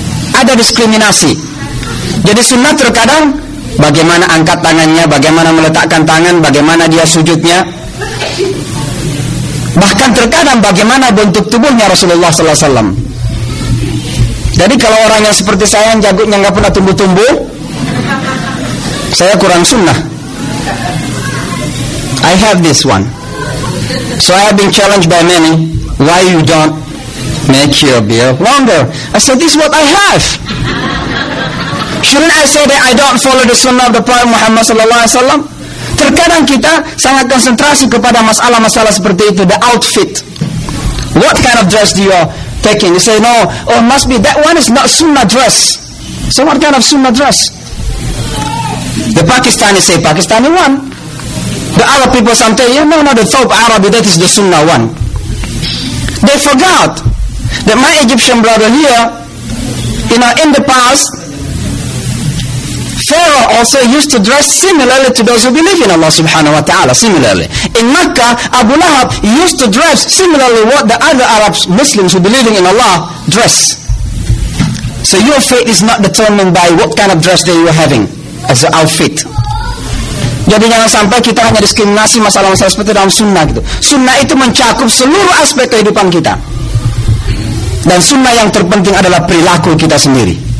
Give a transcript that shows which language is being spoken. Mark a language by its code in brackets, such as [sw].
[id] Ada diskriminasi. Jadi sunnah terkadang bagaimana angkat tangannya, bagaimana meletakkan tangan, bagaimana dia sujudnya, bahkan terkadang bagaimana bentuk tubuhnya Rasulullah sallallahu alaihi wasallam. Jadi kalau orang yang seperti saya yang janggutnya enggak pernah tumbuh-tumbuh, saya kurang sunnah. [en] I have this one. So I have been challenged by many, why you don't make your beard longer? I said, this is what I have. Shouldn't I say that I don't follow the sunnah of the Prophet Muhammad sallallahu alaihi wasallam? [id] Terkadang kita sangat konsentrasi kepada masalah-masalah seperti itu, [en] the outfit. What kind of dress do you are taking? You say, no, oh, must be that one is not sunnah dress. So what kind of sunnah dress? The Pakistani say Pakistani one. The Arab people sometimes, yeah, no, the top Arab, that is the sunnah one. They forgot that my Egyptian brother here, you know, in the past, Pharaoh also used to dress similarly to those who believe in Allah subhanahu wa ta'ala, similarly. In Mecca, Abu Lahab used to dress similarly what the other Arabs, Muslims who believe in Allah, dress. So your fate is not determined by what kind of dress that you are having as an outfit. [id] Jadi jangan sampai kita hanya diskriminasi masalah-masalah seperti dalam sunnah gitu. Sunnah itu mencakup seluruh aspek kehidupan kita. Dan sunnah yang terpenting adalah perilaku kita sendiri.